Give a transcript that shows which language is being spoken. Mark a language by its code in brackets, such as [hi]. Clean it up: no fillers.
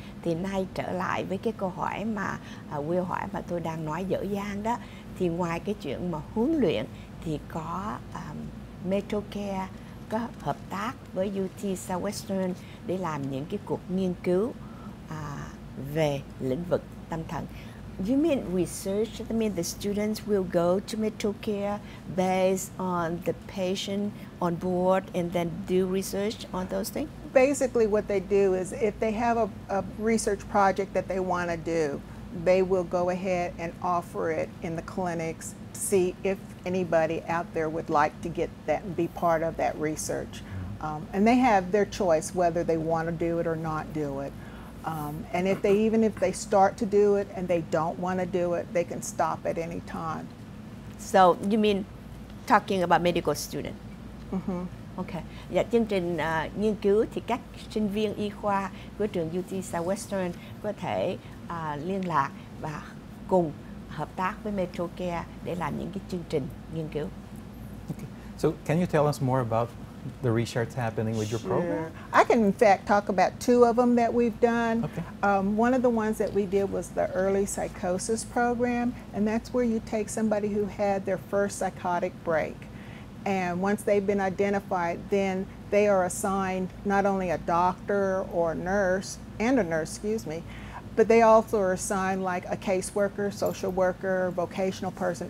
[vi] Thì nay trở lại với cái câu hỏi mà Will hỏi mà tôi đang nói dở dang đó. Thì ngoài cái chuyện mà huấn luyện thì có MetroCare có hợp tác với UT Southwestern để làm những cái cuộc nghiên cứu về lĩnh vực tâm thần. [en] You mean research? I mean the students will go to MetroCare based on the patient on board and then do research on those things? Basically what they do is if they have a research project that they want to do, they will go ahead and offer it in the clinics, see if anybody out there would like to get that and be part of that research. And they have their choice whether they want to do it or not do it. And if they even if they start to do it and they don't want to do it, they can stop at any time. So you mean talking about medical student? Mm-hmm. Okay. [vi] Dạ, chương trình nghiên cứu thì các sinh viên y khoa của trường UT Southwestern có thể liên lạc và cùng hợp tác với MetroCare để làm những cái chương trình nghiên cứu. [en] Okay. So can you tell us more about the research happening with your program? I can in fact talk about two of them that we've done. Okay. One of the ones that we did was the early psychosis program, and that's where you take somebody who had their first psychotic break, and once they've been identified, then they are assigned not only a doctor or a nurse, but they also are assigned like a caseworker, social worker, vocational person.